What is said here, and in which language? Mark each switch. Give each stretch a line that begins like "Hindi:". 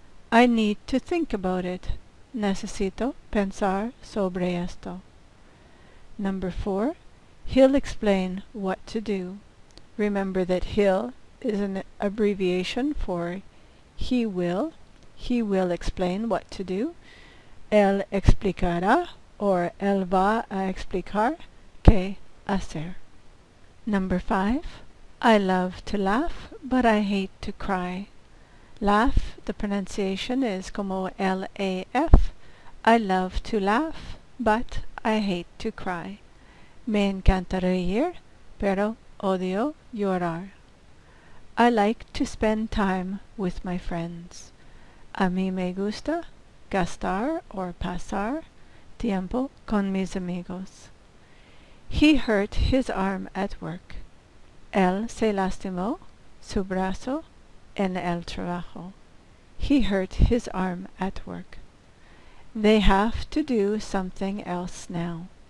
English: I need to think about it.
Spanish: Necesito pensar sobre esto.
English: Number 4. He'll explain what to do. Remember that he'll is an abbreviation for he will. He will explain what to do.
Spanish: Él explicará
English: or
Spanish: él va a explicar qué hacer.
English: Number 5. I love to laugh, but I hate to cry. Laugh, the pronunciation is
Spanish: como
English: L-A-F. I love to laugh, but I hate to cry.
Spanish: Me encanta reír, pero odio llorar.
English: I like to spend time with my friends.
Spanish: A mí me gusta gastar
English: or
Spanish: pasar tiempo con mis amigos.
English: He hurt his arm at work.
Spanish: Él se lastimó su brazo en el trabajo.
English: He hurt his arm at work. They have to do something else now.